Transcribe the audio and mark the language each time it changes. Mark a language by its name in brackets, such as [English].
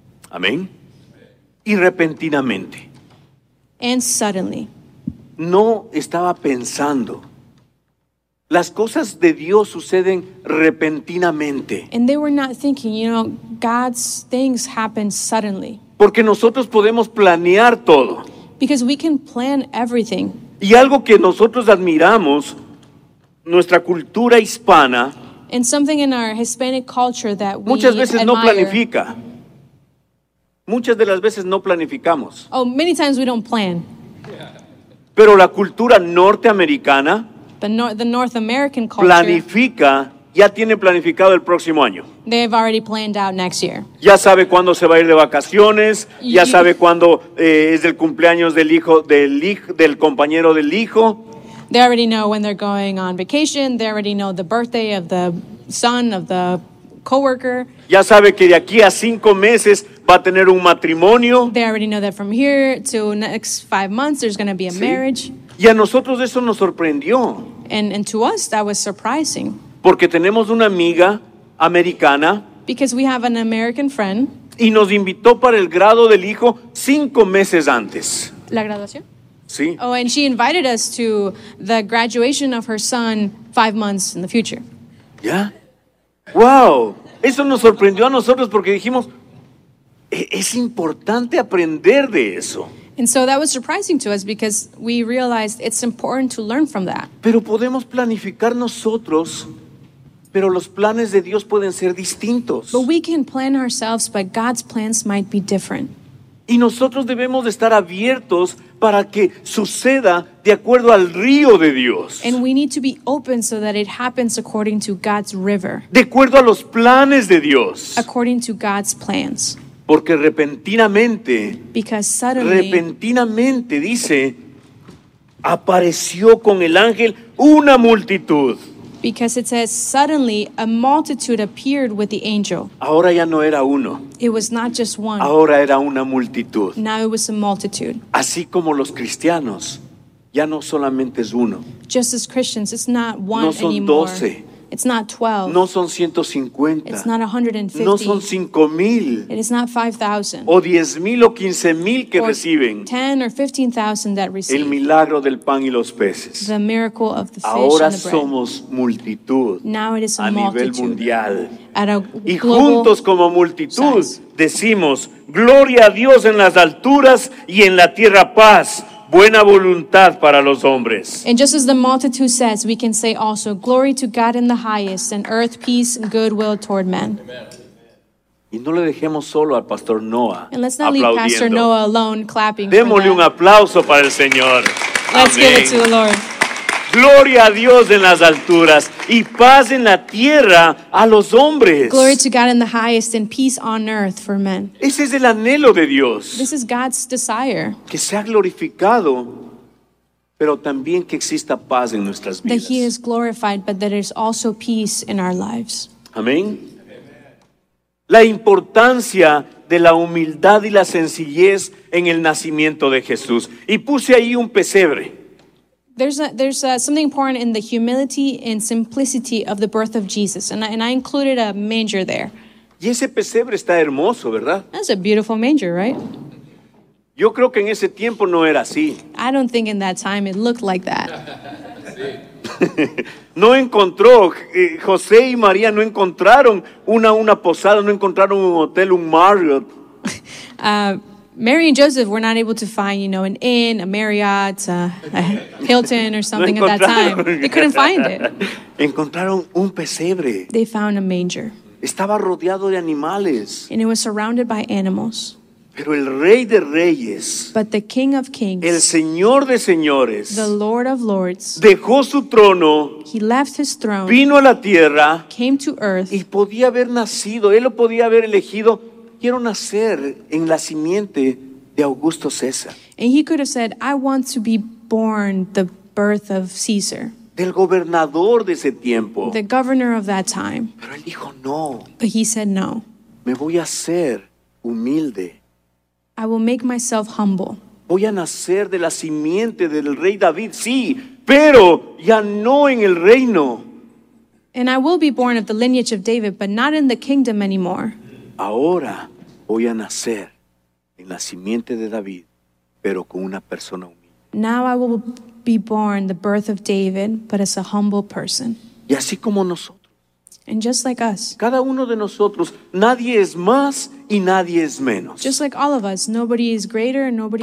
[Spanish] Amén. Y repentinamente. [English] And suddenly. [Spanish] No estaba pensando. Las cosas de Dios suceden repentinamente. [English] And they were not thinking, you know, God's things happen suddenly. [Spanish] Porque nosotros podemos planear todo. [English] Because we can plan everything. [Spanish] Y algo que nosotros admiramos, nuestra cultura hispana. [English] And something in our Hispanic culture that we [Spanish] muchas veces [English] admire. [Spanish] No planifica. Muchas de las veces no planificamos. [English] Oh, many times we don't plan. [Spanish] Pero la cultura norteamericana. [English] The North American culture. [Spanish] Planifica. Ya tiene planificado el próximo año. [English] They've already planned out next year. [Spanish] Ya sabe cuándo se va a ir de vacaciones. Ya sabe cuándo es el cumpleaños del hijo del compañero del hijo. [English] They already know when they're going on vacation. They already know the birthday of the son of the coworker. [Spanish] Ya sabe que de aquí a 5 meses va a tener un matrimonio. [English] They already know that from here to next 5 months there's going to be a [Spanish] sí. [English] marriage. [Spanish] Y a nosotros eso nos sorprendió. [English] And to us that was surprising. [Spanish] Porque tenemos una amiga americana. Because we have an American friend. Y nos invitó para el grado del hijo 5 meses antes. la graduación. Sí. [English] Oh, and she invited us to the graduation of her son 5 months in the future. Yeah. Wow. [Spanish] Eso nos sorprendió a nosotros porque dijimos, es importante aprender de eso. [English] And so that was surprising to us because we realized it's important to learn from that. [Spanish] Pero podemos planificar nosotros, pero los planes de Dios pueden ser distintos. [English] But we can plan ourselves, but God's plans might be different. [Spanish] Y nosotros debemos de estar abiertos para que suceda de acuerdo al río de Dios. [English] And we need to be open so that it happens according to God's river. [Spanish] De acuerdo a los planes de Dios. [English] According to God's plans. [Spanish] Porque repentinamente, [English] because suddenly, [Spanish] repentinamente dice, apareció con el ángel una multitud. [English] Because it says suddenly a multitude appeared with the angel. [Spanish] Ahora ya no era uno. [English] It was not just one. [Spanish] Ahora era una multitud. [English] Now it was a multitude. [Spanish] Así como los cristianos, ya no solamente es uno. [English] Just as Christians, it's not one anymore. [Spanish] No son 12. [English] It's not 12. [Spanish] No son 150. [English] It's not 150. [Spanish] No son 5,000. [English] It is not 5,000. [Spanish] O 10,000 o 15,000 que reciben. [English] 10 or 15,000 that receive. [Spanish] El milagro del pan y los peces. [English] The miracle of the fish. [Spanish] Ahora [English] and the bread. [Spanish] Somos multitud. [English] Now it is a multitude. [Spanish] A nivel mundial. [English] At a [Spanish] y juntos como multitud [English] size. [Spanish] Decimos, gloria a Dios en las alturas y en la tierra paz. Buena voluntad para los hombres. [English] And just as the multitude says, we can say also, glory to God in the highest, and earth peace, goodwill toward men. [Spanish] Y no le dejemos solo al Pastor Noah. [English] And let's not leave Pastor Noah alone clapping. [Spanish] Démosle un aplauso para el Señor. [English] Let's [Spanish] Amén. [English] Give it to the Lord. [Spanish] Gloria a Dios en las alturas y paz en la tierra a los hombres. [English] Glory to God in the highest and peace on earth for men. [Spanish] Ese es el anhelo de Dios. [English] This is God's desire. [Spanish] Que sea glorificado, pero también que exista paz en nuestras vidas. [English] That he is glorified, but that there is also peace in our lives. [Spanish] Amén. La importancia de la humildad y la sencillez en el nacimiento de Jesús. Y puse ahí un pesebre. [English] There's something important in the humility and simplicity of the birth of Jesus. And I included a manger there. [Spanish] Y ese pesebre está hermoso, ¿verdad? [English] That's a beautiful manger, right? [Spanish] Yo creo que en ese tiempo no era así. [English] I don't think in that time it looked like that. [Spanish] No encontró, José y María no encontraron una posada, no encontraron un hotel, un Marriott. [English] Mary and Joseph were not able to find, you know, an inn, a Marriott, a Hilton or something at that time. They couldn't find it. [Spanish] Encontraron un pesebre. [English] They found a manger. [Spanish] Estaba rodeado de animales. [English] And it was surrounded by animals. [Spanish] Pero el Rey de Reyes, [English] but the King of Kings, [Spanish] el Señor de Señores, [English] the Lord of Lords, [Spanish] dejó su trono, [English] he left his throne, [Spanish] vino a la tierra, [English] came to earth, [Spanish] y podía haber nacido, él lo podía haber elegido. Quiero nacer en la simiente de Augusto César. [English] And he could have said, I want to be born the birth of Caesar. [Spanish] Del gobernador de ese tiempo. [English] The governor of that time. [Spanish] Pero él dijo no. [English] But he said no. [Spanish] Me voy a hacer humilde. [English] I will make myself humble. [Spanish] Voy a nacer de la simiente del rey David, sí, pero ya no en el reino. [English] And I will be born of the lineage of David, but not in the kingdom anymore. [Spanish] Ahora voy a nacer en la simiente de David, pero con una persona humilde. [English] Now I will be born the birth of David, but as a humble person. [Spanish] Y así como nosotros. [English] And just like us. [Spanish] Cada uno de nosotros, nadie es más y nadie es menos. [English] Just like all of us, nobody is greater and nobody